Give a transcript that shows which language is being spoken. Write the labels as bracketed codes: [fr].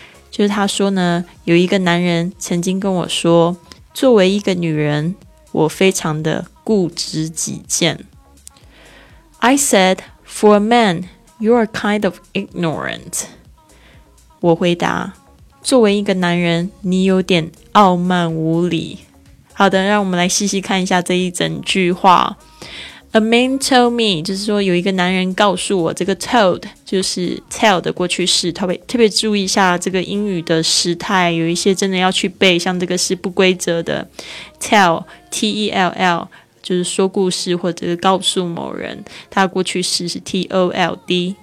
[zh] 就是他说呢，有一个男人曾经跟我说，作为一个女人，我非常的固执己见。 [en] I said, for a man, you are kind of ignorant. [zh] 我回答，作为一个男人，你有点傲慢无礼。好的，让我们来细细看一下这一整句话。 [en] A man told me, [zh] 就是说有一个男人告诉我，这个 told 就是 tell 的过去式，特别注意一下这个英语的时态，有一些真的要去背，像这个是不规则的 tell, T-E-L-L 就是说故事或者是告诉某人，它的过去式是 T-O-L-D。